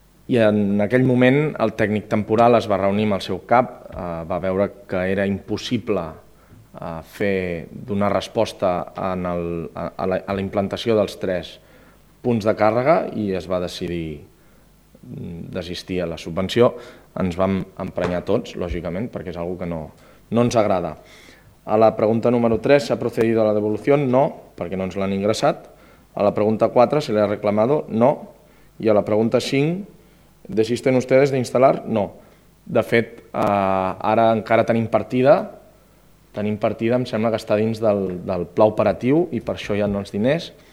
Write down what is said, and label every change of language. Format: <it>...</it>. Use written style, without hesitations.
<ca>I en aquell moment el tècnic temporal es va reunir amb el seu cap, va veure que era impossible fer donar resposta en el, a la implantació dels tres punts de càrrega i es va decidir desistir a la subvenció. Ens vam emprenyar tots, lògicament, perquè és algo que no ens agrada. A la pregunta número 3, s'ha procedit a la devolució? No, perquè no ens l'han ingressat.</ca> <es>A la pregunta 4, se le ha reclamado? No. I a la pregunta 5, ¿desisten ustedes de instalar?</es> <ca>No. De fet, ara encara tenim partida, em sembla que està dins del pla operatiu i per això hi ha els diners.</ca>